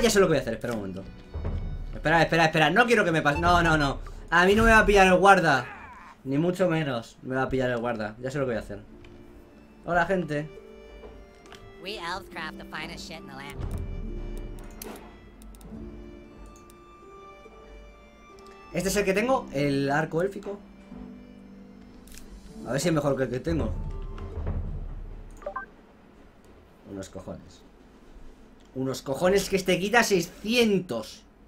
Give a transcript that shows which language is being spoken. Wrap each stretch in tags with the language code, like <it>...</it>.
<es>Ya sé lo que voy a hacer, espera un momento. Espera, espera, espera, no quiero que me pase. No, no, no, a mí no me va a pillar el guarda. Ni mucho menos me va a pillar el guarda, ya sé lo que voy a hacer. Hola, gente.</es> <en>We elves craft the finest shit in the land.</en> <es>Este es el que tengo, el arco élfico. A ver si es mejor que el que tengo. Unos cojones. Unos cojones que este quita 600.</es>